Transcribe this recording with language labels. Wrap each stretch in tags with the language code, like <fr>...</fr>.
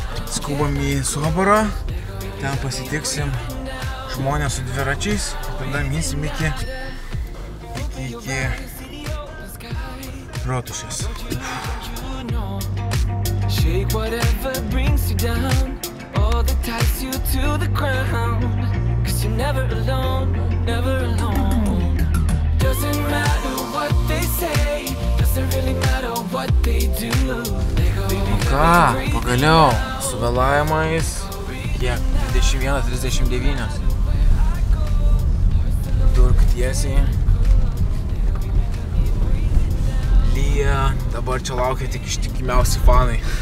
<lt>Skubam į Soborą, ten pasitiksim žmonės su dviračiais, tada mysim iki rotušės.</lt> <en>Shake whatever brings you down, all that ties you to the ground, cause you're never alone, never alone. Doesn't matter what they say, doesn't really matter what they do.</en> <lt>Ką, pagaliau, su vėlavimais, kiek, 21.39. Durk tiesiai. Lyja, dabar čia laukia tik ištikimiausi fanai.</lt>